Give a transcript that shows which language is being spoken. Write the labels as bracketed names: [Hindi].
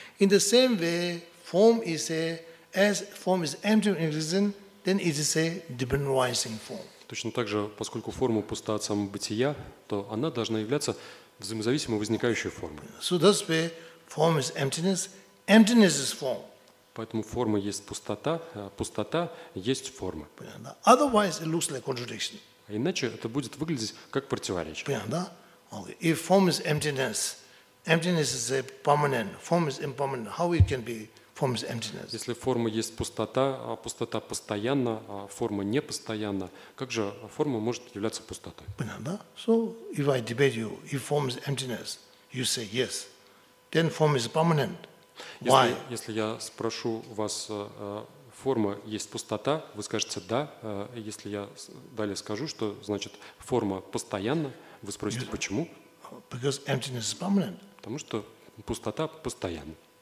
[English] In the same way, form is a, as form is empty in existence, then it is a dependent rising form. [Russian] Точно так же, поскольку форма пуста от самобытия, то она должна являться взаимозависимо возникающей формой. [English] So that's why form is emptiness, emptiness is form. [Russian] Поэтому форма есть пустота, пустота есть форма. Понятно? [English] Otherwise it looks like contradiction. [Russian] А иначе это будет выглядеть как противоречие. Понятно? [English] Okay. If form is emptiness, emptiness is a permanent, form is impermanent, how it can be? [Russian] Если форма есть пустота, а пустота постоянна, а форма не постоянна, как же форма может являться пустотой? Понятно? [English] So if I debate you, if form is emptiness, you say yes, then form is permanent. Why? [Russian] Если я спрошу вас, форма есть пустота, вы скажете да. Если я далее скажу, что значит форма постоянна, вы спросите почему? [English] Because emptiness is permanent. [Russian] Потому что пустота постоянна.